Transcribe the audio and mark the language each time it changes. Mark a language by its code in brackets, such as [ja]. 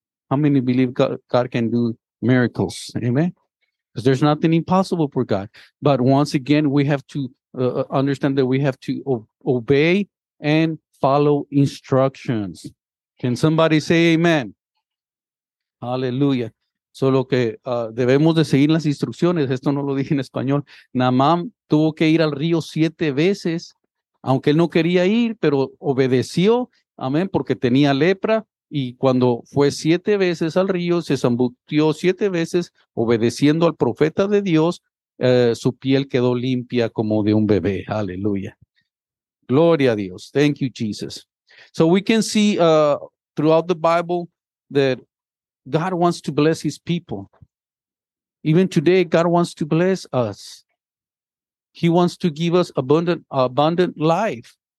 [en] How many believe God can do miracles? Amen. Because there's nothing impossible for God. But once again, we have to understand that we have to obey and follow instructions. Can somebody say amen? Hallelujah. [es] So lo que debemos de seguir las instrucciones, esto no lo dije en español, Naaman tuvo que ir al río 7 veces, aunque él no quería ir, pero obedeció, amén, porque tenía lepra, y cuando fue 7 veces al río, se zambutió 7 veces, obedeciendo al profeta de Dios, su piel quedó limpia como de un bebé. Aleluya. Gloria a Dios. [en] Thank you, Jesus. So we can see throughout the Bible that God wants to bless his people. Even today, God wants to bless us. He wants to give us abundant life.